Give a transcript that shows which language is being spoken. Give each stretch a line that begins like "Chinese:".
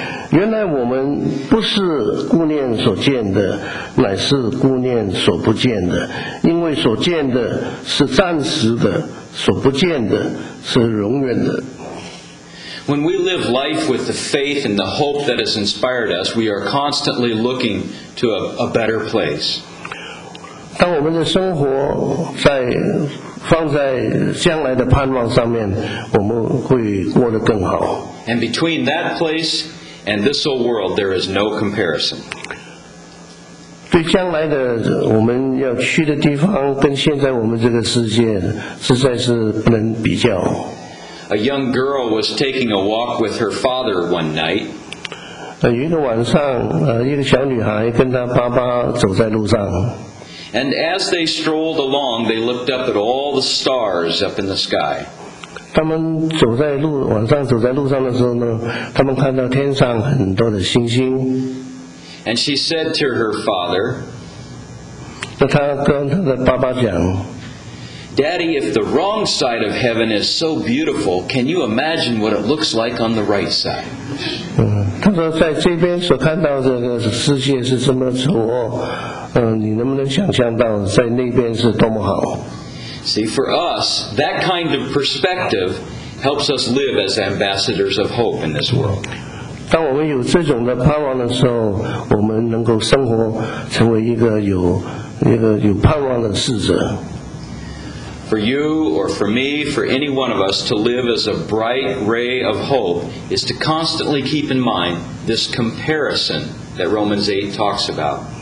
Chinese: 原来我们不是顾念所见的，乃是顾念所不见的，因为所见的是暂时的，所不见的是永远的。
English: When we live life with the faith and the hope that has inspired us, we are constantly looking to a better place.
Chinese: 当我们的生活在放在将来的盼望上面，我们会过得更好。
English: And between that place and this old world, there is no comparison.
Chinese: 对将来的我们要去的地方跟现在我们这个世界实在是不能比较。
English: A young girl was taking a walk with her father one night.
Chinese: 有一个晚上一个小女孩跟她爸爸走在路上。
English: And as they strolled along, they looked up at all the stars up in the sky.
Chinese: 他们走在路晚上走在路上的时候呢，他们看到天上很多的星星。
English: And she said to her father,
Chinese: 她跟她的爸爸讲,
English: Daddy, if the wrong side of heaven is so beautiful, can you imagine what it looks like on the right side?
Chinese: 她说在这边所看到的世界是这么丑恶，你能不能想象到在那边是多么好？
English: See, for us, that kind of perspective helps us live as ambassadors of hope in this world.
Chinese: 当我们有这种的盼望的时候，我们能够生活成为一个有盼望的使者。
English: For you or for me, for any one of us, to live as a bright ray of hope is to constantly keep in mind this comparison that Romans 8 talks about.